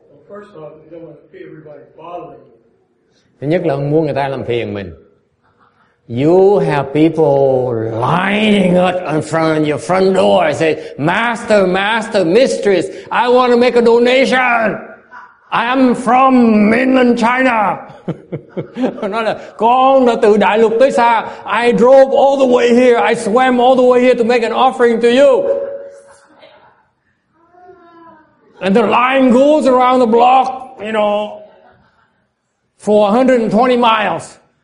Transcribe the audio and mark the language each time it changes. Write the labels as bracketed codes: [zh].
[en] Well, first off, you don't want to see everybody bothering you. [vi] Thứ nhất là không muốn người ta làm phiền mình. [en] You have people lining up in front of your front door. I say, master, mistress, I want to make a donation. I am from mainland China. [vi] Nói là con đã từ đại lục tới xa. [en] I drove all the way here. I swam all the way here to make an offering to you. And the line goes around the block, you know, for 120 miles.